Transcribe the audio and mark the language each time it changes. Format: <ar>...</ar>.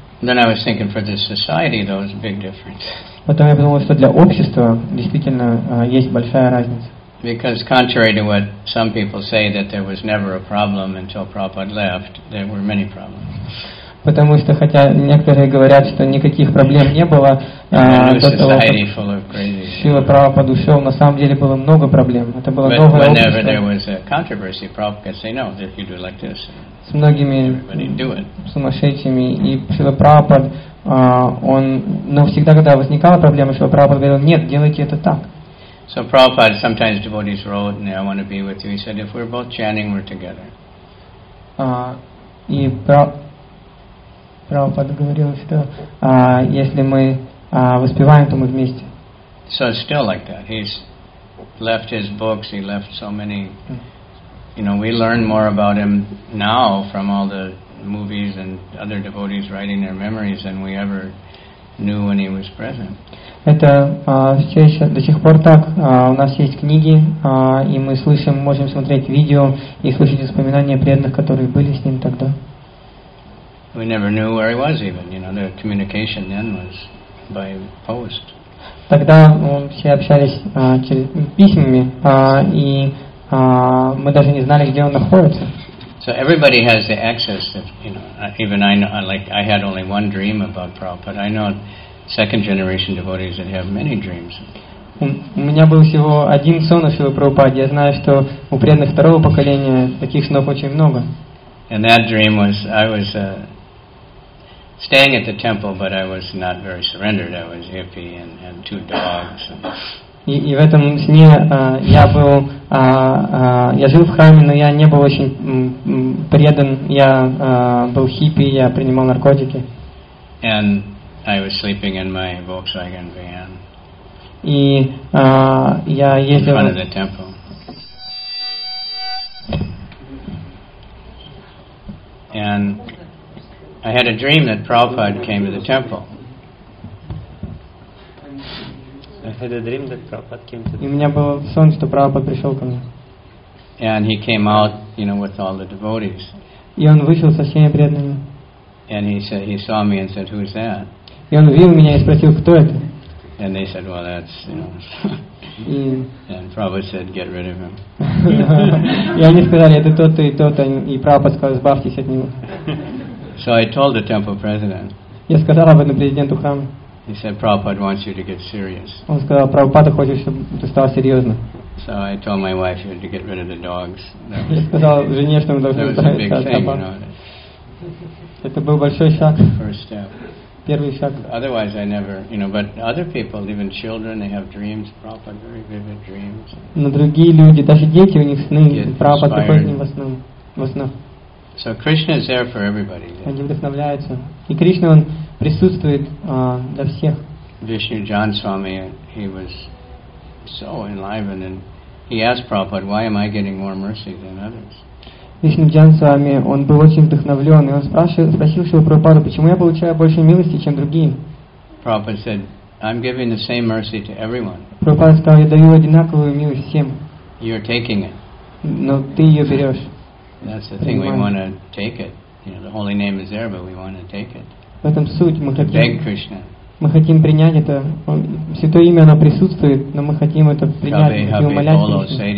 <en>Then I was thinking for this society, though, it's a big difference.</en> <ru>Потом я подумал, что для общества действительно есть большая разница.</ru> <en>Because contrary to what some people say, that there was never a problem until Prabhupada left, there were many problems.</en> <ru>Потому что хотя некоторые говорят, что никаких проблем не было, до того, как Шрила Прабхупада ушел, на самом деле было много проблем. Это было новое общество. С многими сумасшедшими. И Шрила Прабхупада, он... Но всегда, когда возникала проблема, Шрила Прабхупада говорил, нет, делайте это так.</ru> <en>So Prabhupada, sometimes devotees wrote, I want to be with you. He said, if we're both chanting, we're together.</en> <ru>И Прабхупада говорил, что если мы воспеваем, то мы вместе.</ru> <en>So it's still like that. He's left his books, he left so many. You know, we learn more about him now from all the movies and other devotees writing their memories than we ever knew when he was present.</en> <ru>Это все еще до сих пор так. У нас есть книги, и мы слышим, можем смотреть видео и слышать воспоминания преданных, которые были с ним тогда.</ru> <en>We never knew where he was even. You know, the communication then was by post.</en> <ru>Тогда все общались через письмами, и мы даже не знали, где он находится.</ru> <en>So everybody has the access that, you know, even I know, like, I had only one dream about Prabhupada. I know second generation devotees that have many dreams.</en> <ru>У меня был всего один сон о Шриле Прабхупаде. Я знаю, что у преданных второго поколения таких снов очень много.</ru> <en>And that dream was, I was staying at the temple, but I was not very surrendered. I was hippie and had two dogs.</en> <ru>И в этом сне я был, я жил в храме, но я не был очень предан. Я был хиппи, я принимал наркотики.</ru> <en>And I was sleeping in my Volkswagen van.</en> <ru>И я ездил.</ru> <en>In front of the temple. And I had a dream that Prabhupada came to the temple.</en> <ru>И у меня был сон, что Прабхупада пришел ко мне.</ru> <en>And he came out, you know, with all the devotees.</en> <ru>И он вышел со всеми преданными.</ru> <en>And he said, he saw me and said, who's that?</en> <ru>И он увидел меня и спросил, кто это?</ru> <en>And they said, well, that's, you know. And Prabhupada said, get rid of him.</en> <ru>И они сказали, это тот и тот, и Прабхупада сказал, избавьтесь от него.</ru> <en>So I told the temple president.</en> <ru>Я сказал об этом президенту храма.</ru> <en>He said, Prabhupada wants you to get serious.</en> <ru>Он сказал, Прабхупада хочет, чтобы ты стал серьезно.</ru> <en>So I told my wife you had to get rid of the dogs.</en> <ru>Я сказал жене, что мы должны избавиться от собак. Это был большой шаг.</ru> <en>First step.</en> <ru>Первый шаг.</ru> <en>Otherwise, I never, you know. But other people, even children, they have dreams. Prabhupada, very vivid dreams.</en> <ru>Но другие люди, даже дети, у них сны. Прабхупада такой не во снах.</ru> <en>So Krishna is there for everybody.</en> <ru>Они вдохновляются. И Кришна, он присутствует для всех.</ru> <en>Vishnu Jan Swami, he was so enlivened, and he asked Prabhupada, "Why am I getting more mercy than others?"</en> <ru>Вишну Джан с вами, он был очень вдохновлен, и он спросил своего Прабхупаду, почему я получаю больше милости, чем другие.</ru> <en>Prabhupada said, I'm giving the same mercy to everyone.</en> <ru>Прабхупада сказал, я даю одинаковую милость всем.</ru> <en>You're taking it.</en> <ru>Но ты ее берешь.</ru> <en>That's the thing, we want to take it. You know, the holy name is there, but we want to take it.</en> <ru>В этом суть, мы хотим.</ru> <en>Beg Krishna.</en> <ru>Мы хотим принять это. Святое имя, оно присутствует, но мы хотим это принять и умолять.</ru>